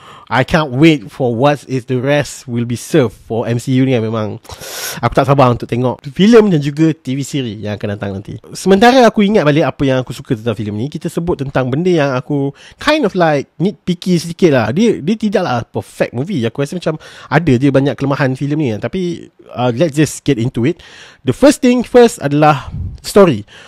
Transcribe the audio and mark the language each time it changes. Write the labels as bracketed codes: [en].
[en] I can't wait for what is the rest will be served for MCU ni. [ms] Memang aku tak sabar untuk tengok filem dan juga TV series yang akan datang nanti. Sementara aku ingat balik apa yang aku suka tentang filem ni, kita sebut tentang benda yang aku [en] kind of like nitpicky [ms] sedikit lah. Dia tidaklah [en] perfect movie. [ms] Aku rasa macam ada je banyak kelemahan filem ni. Tapi [en] let's just get into it. The first thing first [ms] adalah [en] story.